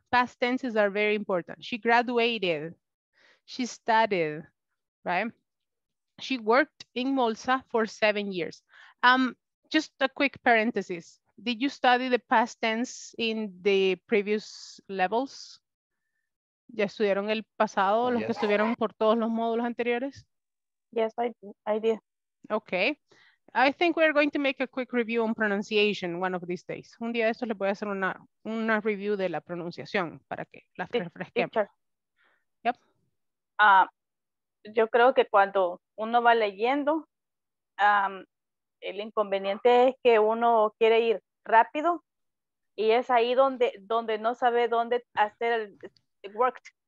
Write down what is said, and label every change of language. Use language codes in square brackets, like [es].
[en] Past tenses are very important. She graduated, she studied, right? She worked in Molsa for 7 years. Just a quick parenthesis. Did you study the past tense in the previous levels? [es] ¿Ya estudiaron el pasado, los que estuvieron por todos los módulos anteriores? [en] Yes, I did. Okay. I think we're going to make a quick review on pronunciation one of these days. [es] Un día de estos le voy a hacer una review de la pronunciación para que las refresquemos. [en] Teacher. Yep. [es] Yo creo que cuando uno va leyendo, el inconveniente es que uno quiere ir rápido y es ahí donde no sabe dónde hacer el worked.